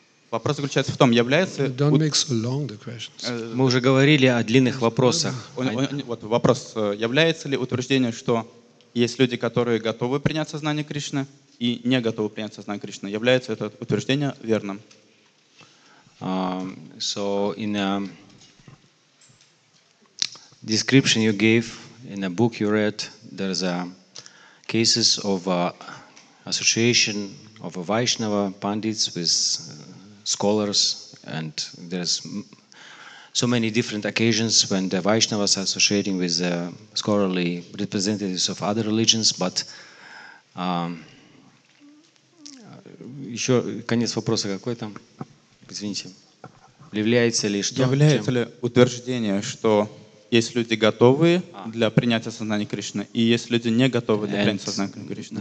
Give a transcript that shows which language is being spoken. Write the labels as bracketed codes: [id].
[ru] Вопрос заключается в том, является... [en] Don't make so long the questions. [ru] Мы уже говорили о длинных вопросах. Вот вопрос. Является ли утверждение, что есть люди, которые готовы принять сознание Кришны и не готовы принять сознание Кришны? Является это утверждение верным? [en] So in a description you gave, in a book you read, there's a cases of association of a Vaishnava pandits with scholars, and there's so many different occasions when the Vaishnavas are associating with the scholarly representatives of other religions, but [ru] еще конец вопроса какой там? Извините. Является ли что? Является ли утверждение, что есть люди готовые для принятия сознания Кришны, и есть люди не готовые для принятия сознания Кришны?